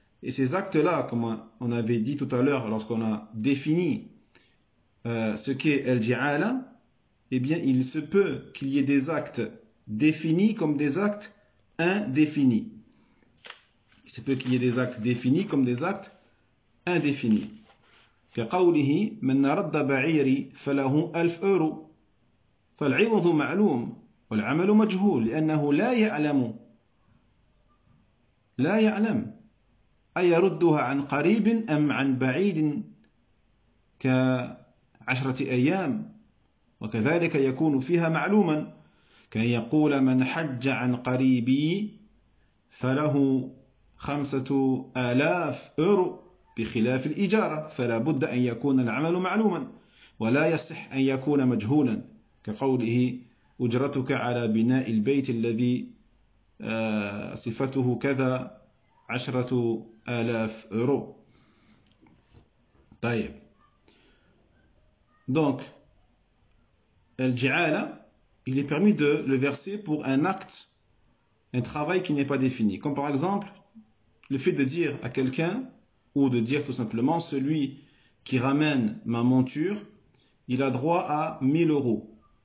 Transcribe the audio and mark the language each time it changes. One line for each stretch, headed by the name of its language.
French: Et ces actes-là, comme on avait dit tout à l'heure lorsqu'on a défini ce qu'est al-ji'ala, eh bien, il se peut qu'il y ait des actes définis comme des actes indéfinis. Il se peut qu'il y ait des actes définis comme des actes indéfinis.
Arabic: كَقَوْلِهِ مَنْ نَرَدَّ بَعِيرِ فَلَهُ 1000 euros. فَالْعِوَضُ مَعْلُومُ والعمل مجهول لأنه لا يعلم لا يعلم أي يردها عن قريب أم عن بعيد كعشرة أيام وكذلك يكون فيها معلوما كأن يقول من حج عن قريبي فله 5000 أورو بخلاف الإجارة فلا بد أن يكون العمل معلوما ولا يصح أن يكون مجهولا كقوله أجرتك على بناء البيت الذي صفته كذا 10000 euros. طيب.
French: Donc, al-ji'ala, il est permis de le verser pour un acte, un travail qui n'est pas défini. Comme par exemple, le fait de dire à quelqu'un, ou de dire tout simplement, celui qui ramène ma monture, il a droit à 1000 euros.